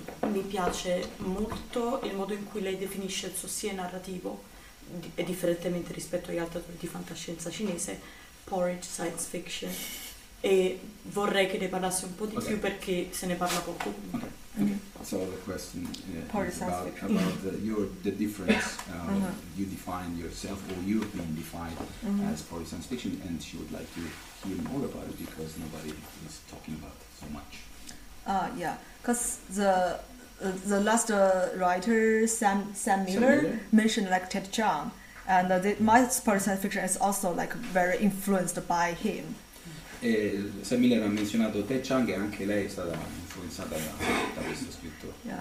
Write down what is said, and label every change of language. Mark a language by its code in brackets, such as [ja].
[it] Mi piace molto il modo in cui lei definisce il suo sé narrativo, differentemente rispetto agli altri autori di fantascienza cinese, porridge science fiction. E vorrei che ne parlasse un po' di più perché se ne parla poco. [en] So the question is Porridge science fiction. the difference you define yourself or you've been defined as porridge science fiction, and she would like to hear more about it because nobody is talking about it so much. Yeah, because the last writer, Sam Miller, Samuel? mentioned like Ted Chiang, and my porridge science fiction is also like very influenced by him. [it] Samuel ha menzionato Ted Chiang e anche lei è stata influenzata da questo scrittore.